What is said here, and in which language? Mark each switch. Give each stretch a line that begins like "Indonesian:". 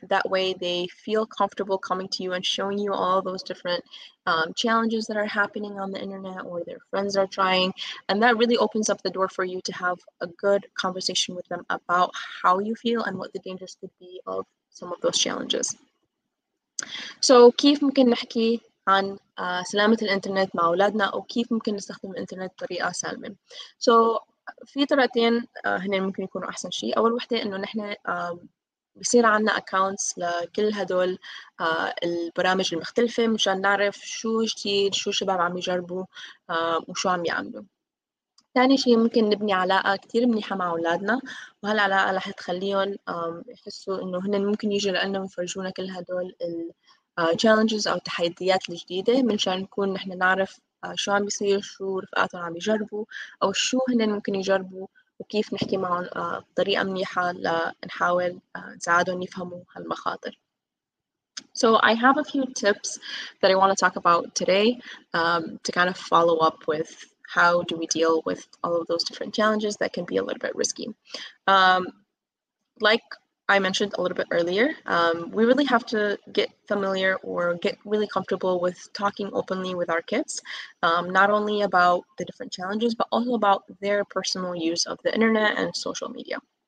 English: That way they feel comfortable coming to you and showing you all those different challenges that are happening on the internet or their friends are trying. And that really opens up the door for you to have a good conversation with them about how you feel and what the dangers could be of some of those challenges.
Arabic: So كيف ممكن نحكي عن سلامة الانترنت مع أولادنا، أو كيف ممكن نستخدم الانترنت بطريقة سالمة؟ So في طريقتين هن ممكن يكونوا أحسن شيء. أول وحدة إنه نحن بصير عنا accounts لكل هدول البرامج المختلفة مشان نعرف شو جديد شو شباب عم يجربوا وشو عم يعملوا. ثاني شيء ممكن نبني علاقة كتير منيحة مع أولادنا، وهالعلاقة رح تخليهم يحسوا إنه هن ممكن يجوا لنا ويفرجونا كل هدول ال challenges أو التحديات الجديدة، منشان نكون نحن نعرف شو عم بيصير، شو رفقاتهم عم يجربوا أو شو هن ممكن يجربوا، وكيف نحكي معهم بطريقة منيحة لنحاول نساعدهم يفهموا هالمخاطر.
English: So I have a few tips that I want to talk about today to kind of follow up with how do we deal with all of those different challenges that can be a little bit risky. Like I mentioned a little bit earlier, we really have to get familiar or get really comfortable with talking openly with our kids, not only about the different challenges, but also about their personal use of the internet and social media.